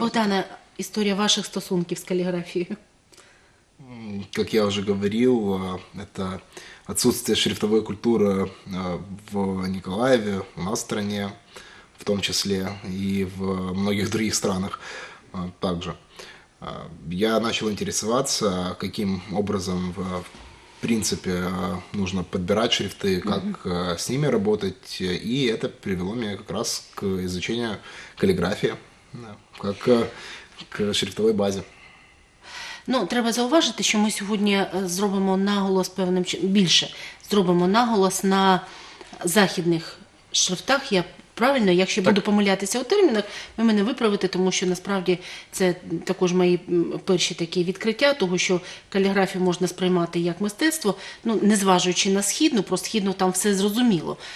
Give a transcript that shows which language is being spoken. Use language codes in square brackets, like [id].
[uk] Богдана, історія ваших стосунків з каліграфією. Як я вже говорив, це відсутствие шрифтової культури в Миколаєві, в нашій країні, в тому числі, і в багатьох інших країнах також. [ru] Я начал интересоваться, каким образом, в принципе, нужно подбирать шрифты, как с ними работать. И это привело меня как раз к изучению каллиграфии, как к шрифтовой базе. [uk] Ну, треба зауважити, що ми сьогодні зробимо наголос певним чином, більше, зробимо наголос на західних шрифтах, я правильно, якщо буду помилятися у термінах, ви мене виправите, тому що насправді це також мої перші такі відкриття того, що каліграфію можна сприймати як мистецтво, ну, не зважуючи на східну, про східну там все зрозуміло.